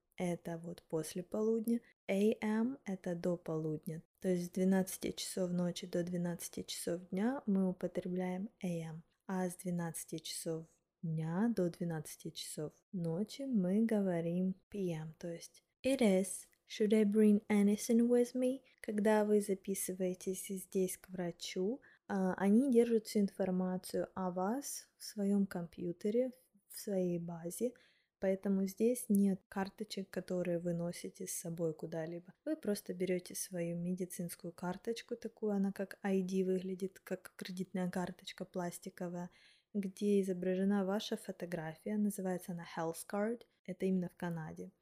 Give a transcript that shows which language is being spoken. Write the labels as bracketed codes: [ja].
[ru] Это вот после полудня. A.m. это до полудня. То есть с 12 часов ночи до 12 часов дня мы употребляем a.m. А с 12 часов дня до 12 часов ночи мы говорим PM, то есть [en] It is. Should I bring anything with me? [ru] Когда вы записываетесь здесь к врачу, они держат всю информацию о вас в своем компьютере, в своей базе, поэтому здесь нет карточек, которые вы носите с собой куда-либо. Вы просто берете свою медицинскую карточку, такую она как ID выглядит, как кредитная карточка пластиковая, где изображена ваша фотография, называется она Health Card, это именно в Канаде.